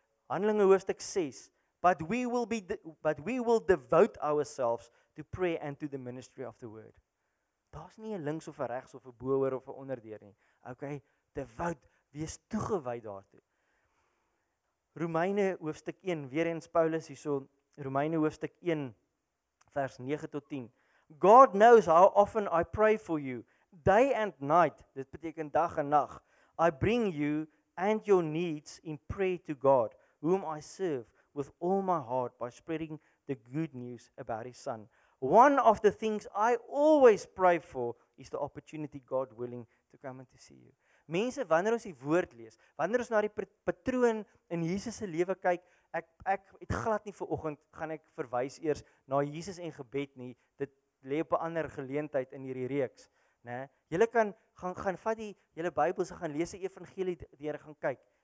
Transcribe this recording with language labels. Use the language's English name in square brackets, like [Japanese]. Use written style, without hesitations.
[Afrikaans] Handelinge hoofstuk 6, [English] but we will devote ourselves to prayer and to the ministry of the word. [Afrikaans] Daar's nie 'n links of 'n regs of 'n boor of 'n onderdeur nie. Okay, devote, wees toegewy daartoe. Romeine hoofstuk 1, weer eens Paulus hierso, Romeine hoofstuk 1 vers 9 tot 10. [English] God knows how often I pray for you. Day and night, [Afrikaans] dit beteken dag en nag, [English] I bring you and your needs in prayer to God, whom I serve with all my heart by spreading the good news about his son. One of the things I always pray for is the opportunity God willing to come and to see you. [Afrikaans] Mense, wanneer ons die woord lees, wanneer ons na die patroon in Jesus se lewe kyk, ek het glad nie vanoggend gaan ek verwys eers na Jesus en gebed nie, dit lê op 'n ander geleentheid in hierdie reeks. Né? Julle kan gaan vat die julle Bybels en gaan lees die evangelie deur gaan kyk.